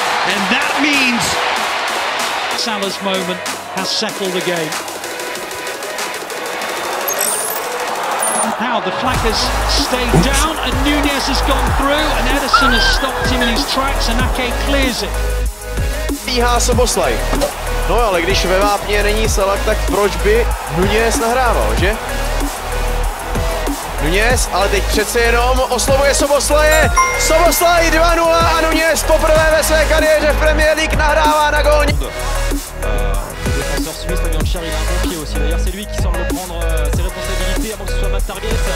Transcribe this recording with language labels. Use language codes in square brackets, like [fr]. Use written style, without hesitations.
[en] And that means... Salah's moment has settled the game. Now the flag has stayed down and Nunez has gone through and Ederson has stopped him in his tracks and Ake clears it. [cs] Bíhá se Boslej. No ale když ve vápně není Salah, tak proč by Nunez nahrával, že? Nunez, ale teď přece jenom oslovuje Soboslaje. Soboslaj 2-0 a Nunez poprvé ve své kariéře v Premier League nahrává na gól. [fr] Défenseur suisse Fabien Schär, il a un bon pied aussi. D'ailleurs, c'est lui qui semble prendre ses responsabilités avant que ce soit Matt Target.